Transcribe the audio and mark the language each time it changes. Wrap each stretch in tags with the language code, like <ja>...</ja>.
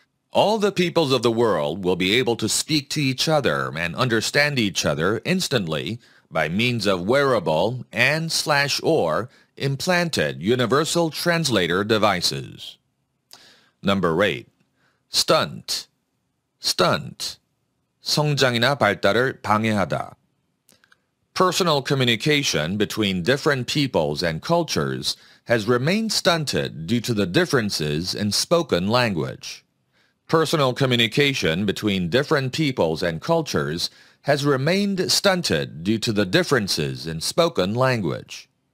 <en>All the peoples of the world will be able to speak to each other and understand each other instantly by means of wearable and/or implanted universal translator devices. Number 8. Stunt. Stunt.</en> <ko>성장이나 발달을 방해하다.</ko> <en>Personal communication between different peoples and cultures has remained stunted due to the differences in spoken language. Personal communication between different peoples and cultures has remained stunted due to the differences in spoken language.</en>